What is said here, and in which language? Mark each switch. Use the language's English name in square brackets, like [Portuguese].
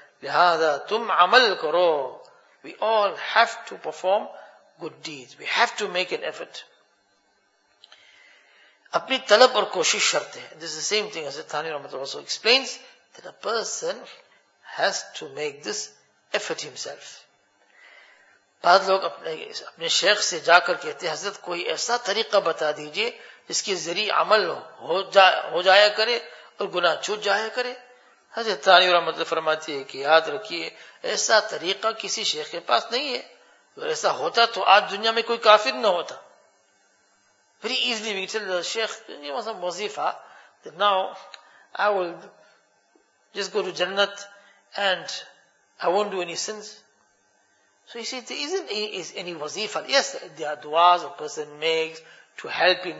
[Urdu] لِهَذَا تُمْ عَمَلْ كَرُوْ. [English] We all have to perform good deeds. We have to make an effort. [Urdu] اپنی طلب اور کوشش شرط ہے. [English] This is the same thing as Thani Ramat also explains, that a person has to make this effort himself. [Urdu] بعض لوگ اپنے شیخ سے جا کر کہتے ہیں, حضرت کوئی ایسا طریقہ بتا دیجئے جس کے ذریعے عمل ہو جایا کرے اور گناہ چھوٹ جایا کرے. حضرت تانی رحمت اللہ فرماتی ہے کہ یاد رکھیے, ایسا طریقہ کسی شیخ کے پاس نہیں ہے. اگر ایسا ہوتا تو آج دنیا میں کوئی کافر نہ ہوتا. [English] Very easily we tell the شیخ وظیفہ, that now I will just go to Jannat and I won't do any sins. So you see, there isn't any wazifa. Yes, there are du'as a person makes to help him.